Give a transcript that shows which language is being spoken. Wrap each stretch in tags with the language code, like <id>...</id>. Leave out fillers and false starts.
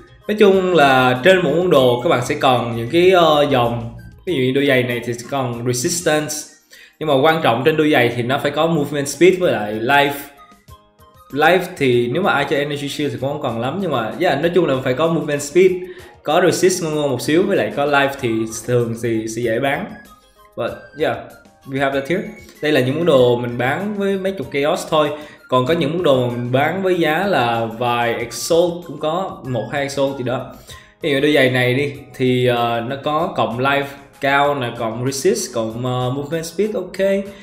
<vi>Nói chung là trên một món đồ các bạn sẽ còn những cái dòng, ví dụ như đôi giày này thì còn resistance, nhưng mà quan trọng trên đôi giày thì nó phải có movement speed với lại life. Life thì nếu mà ai chơi energy shield thì cũng không còn lắm, nhưng mà yeah, nói chung là phải có movement speed, có resist ngon ngon một xíu với lại có life thì thường thì sẽ dễ bán.</vi> <en>But yeah, we have that here.</en> <vi>Đây là những món đồ mình bán với mấy chục chaos thôi. Còn có những món đồ mình bán với giá là vài exalt cũng có, 1-2 exalt gì đó. Ví dụ đôi giày này đi thì nó có cộng life cao nè, cộng resist, cộng movement speed ok.</vi>